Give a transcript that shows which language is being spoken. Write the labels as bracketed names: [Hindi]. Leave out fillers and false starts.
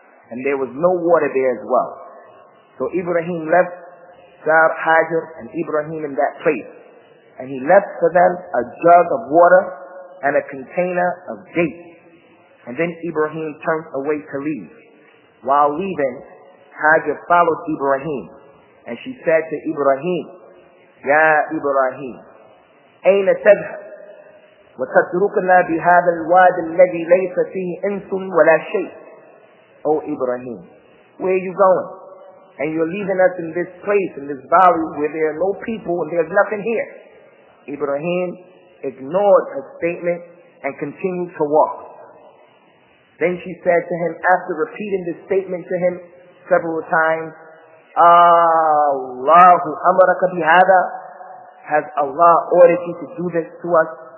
[English] And there was no water there as well. So Ibrahim left Sar Hajar and Ibrahim in that place. And he left for them a jug of water and a container of dates. And then Ibrahim turned away to leave. While leaving, Hajar followed Ibrahim. And she said to Ibrahim, Ya Ibrahim, [Arabic] أين تذهب وتتركنا بهذا الواد الذي ليس فيه إنس ولا شيء. [English] O Ibrahim, where are you going? And you're leaving us in this place, in this valley where there are no people and there's nothing here. Ibrahim ignored her statement and continued to walk. Then she said to him, after repeating this statement to him several times, [Arabic] Allahu amaraka bihada, [English] has Allah ordered you to do this to us?